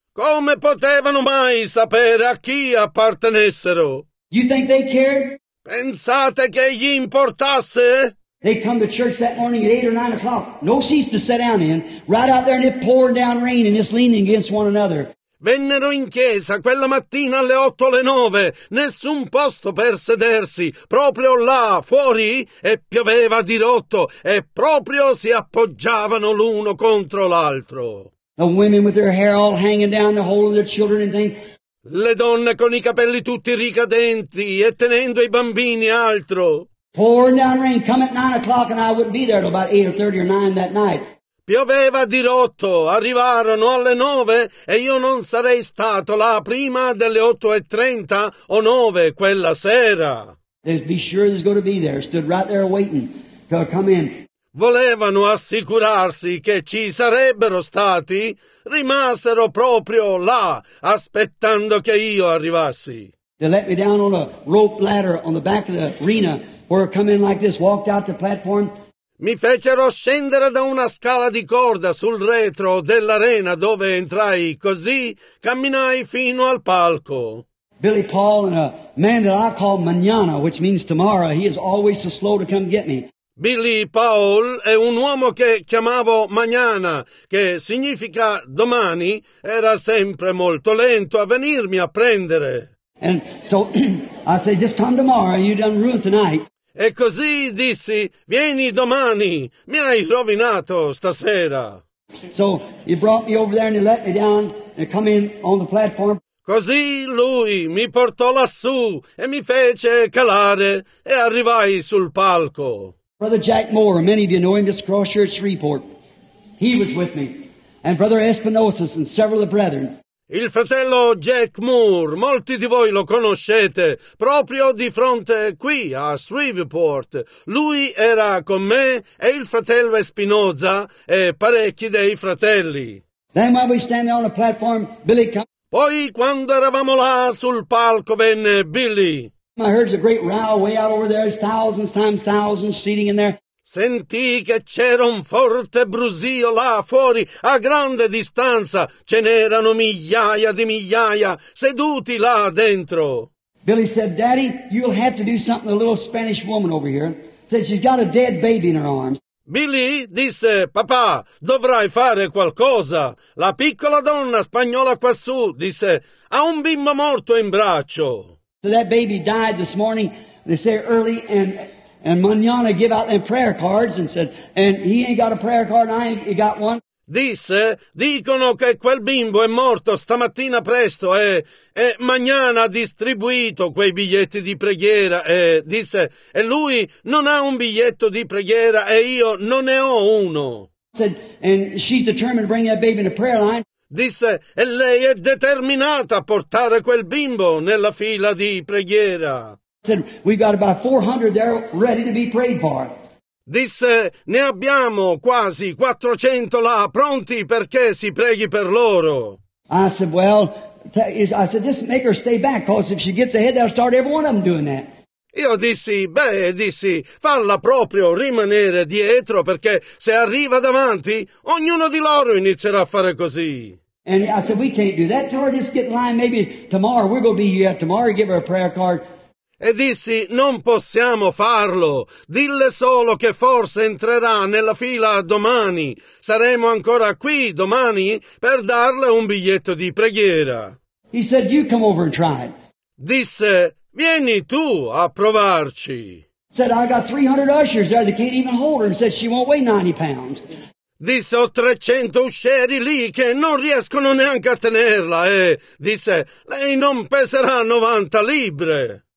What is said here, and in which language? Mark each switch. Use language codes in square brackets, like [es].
[it] Come potevano mai sapere a chi appartenessero? [en] You think they cared? [it] Pensate che gli importasse? [en] They come to church that morning at 8 or 9 o'clock. No seats to sit down in. Right out there and it poured down rain and just leaning against one another. [it] Vennero in chiesa quella mattina alle 8 o 9. Nessun posto per sedersi. Proprio là, fuori, e pioveva dirotto. E proprio si appoggiavano l'uno contro l'altro. [en] The women with their hair all hanging down, the whole of their children and things. [it] Le donne con i capelli tutti ricadenti e tenendo i bambini altro. [en] Pouring down rain, come at 9 o'clock and I wouldn't be there till about 8 or 30 or 9 that night. [it] Pioveva dirotto, arrivarono alle 9 e io non sarei stato là prima delle 8:30 or 9 quella sera. [en] They'd be sure there's going to be there, stood right there waiting to come in. [it] Volevano assicurarsi che ci sarebbero stati, rimasero proprio là, aspettando che io arrivassi. [en] They let me down on a rope ladder on the back of the arena, where I come in like this, walked out the platform. [it] Mi fecero scendere da una scala di corda sul retro dell'arena dove entrai, così camminai fino al palco. [en] Billy Paul and a man that I call Manana, which means tomorrow, he is always so slow to come get me. [it] Billy Paul è un uomo che chiamavo Mañana, che significa domani, era sempre molto lento a venirmi a prendere. [en] And so I said, just come tomorrow, you done ruined tonight. [it] E così dissi, vieni domani, mi hai rovinato stasera. [en] So he brought me over there and he let me down and come in on the platform. [it] Così lui mi portò lassù e mi fece calare e arrivai sul palco. [en] Brother Jack Moore, many of you know him, just Cross Church Report. He was with me. And Brother Espinosa and several of the brethren. [it] Il fratello Jack Moore, molti di voi lo conoscete, proprio di fronte qui a Shreveport. Lui era con me e il fratello Espinosa e parecchi dei fratelli. [en] Then while we stand there on the platform, Billy comes. [it] Poi quando eravamo là sul palco venne Billy. [en] I heard a great row way out over there. There's thousands times thousands seating in there. [it] Sentì che c'era un forte brusio là fuori, a grande distanza. Ce n'erano migliaia di migliaia seduti là dentro. [en] Billy said, Daddy, you'll have to do something to the little Spanish woman over here. Said she's got a dead baby in her arms. [it] Billy disse, papà, dovrai fare qualcosa. La piccola donna spagnola quassù, disse, ha un bimbo morto in braccio. [en] So that baby died this morning, they say early, and Mañana give out them prayer cards and said, and he ain't got a prayer card, and I ain't got one. [it] Disse, dicono che quel bimbo è morto stamattina presto, e Mañana ha distribuito quei biglietti di preghiera, e disse, e lui non ha un biglietto di preghiera, e io non ne ho uno. [en] Said, and she's determined to bring that baby in the prayer line. [it] Disse, e lei è determinata a portare quel bimbo nella fila di preghiera. [en] Said, we've got about 400 there ready to be prayed for. [it] Disse, ne abbiamo quasi 400 là pronti perché si preghi per loro. [en] I said, well, I said, just make her stay back, because if she gets ahead, they'll start every one of them doing that. [it] Io dissi, beh, dissi, falla proprio rimanere dietro, perché se arriva davanti, ognuno di loro inizierà a fare così. [en] And I said, we can't do that to her, just get in line, maybe tomorrow, we're going to be here tomorrow, give her a prayer card. [it] E dissi, non possiamo farlo, dille solo che forse entrerà nella fila domani, saremo ancora qui domani per darle un biglietto di preghiera. [en] He said, you come over and try it. [it] Disse, vieni tu a provarci. [en] Said, I got 300 ushers there that can't even hold her, and said she won't weigh 90 pounds. [it] Disse, ho 300 uscieri lì che non riescono neanche a tenerla, e disse, lei non peserà 90 libbre.